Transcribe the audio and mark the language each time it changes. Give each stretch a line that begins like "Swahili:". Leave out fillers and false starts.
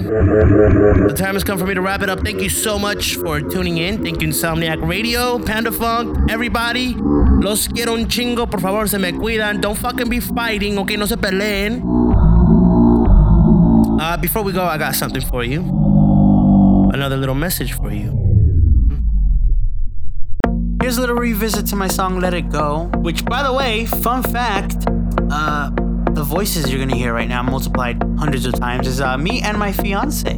English: The time has come for me to wrap it up. Thank you so much for tuning in. Thank you, Insomniac Radio, Panda Funk, everybody.
Spanish: Los quiero un chingo, por favor, se me cuidan.
English: Don't fucking be fighting, okay?
Spanish: No se peleen.
English: Before we go, I got something for you. Another little message for you. Here's a little revisit to my song, Let It Go. Which, by the way, fun fact, the voices you're gonna hear right now, multiplied hundreds of times, is me and my fiance.